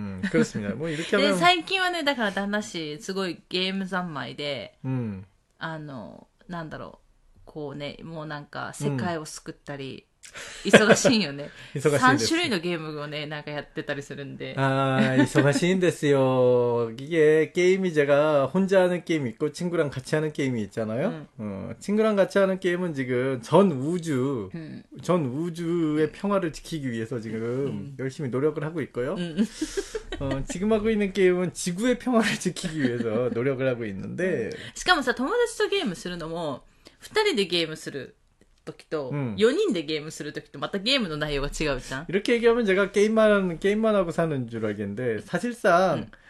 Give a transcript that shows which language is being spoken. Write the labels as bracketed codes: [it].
[ko] 그렇습니다. 뭐, 이렇게 하면. [ja] 네, 最近はね, だから旦那氏すごいゲーム三昧で, なんだろう、こうね、もうなんか世界を救ったり, 忙しいよね. 3種類のゲームをね、なんかやってたりするんで。 아, 忙しいんですよ。 [ko] 이게 게임이 제가 혼자 하는 게임이 있고 친구랑 같이 하는 게임이 있잖아요. 친구랑 같이 하는 게임은 지금 전 우주, 전 우주의 평화를 지키기 위해서 지금 열심히 노력을 하고 있고요. 지금 하고 있는 게임은 지구의 평화를 지키기 위해서 노력을 하고 있는데. [ja] しかもさ、友達とゲームするのも、2人でゲームする。時と 4人 でゲームする時とまたゲームの内容が違うじゃん. [ko] 이렇게 얘기하면 제가 게임만 하고 사는 줄 알겠는데 사실상